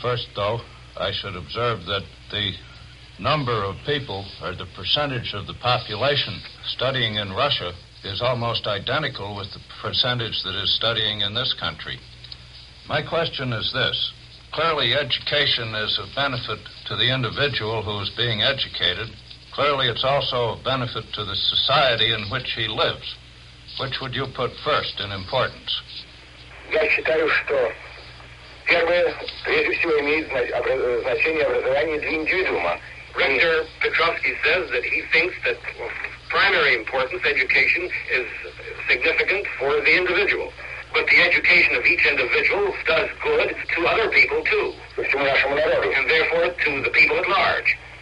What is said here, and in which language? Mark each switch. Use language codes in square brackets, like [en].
[en] First, though, I should observe that the number of people, or the percentage of the population studying in Russia, is almost identical with the percentage that is studying in this country. My question is this. Clearly, education is of benefit to the individual who is being educated. Clearly, it's also of benefit to the society in which he lives. Which would you put first in importance? [ru] Я считаю, что первое, прежде всего, имеет значение образование для индивидуума. [en] Rector Petrovsky says that he thinks that primary importance, education, is significant for the individual. But the education of each individual does good to other people, too. And therefore, to the people at large.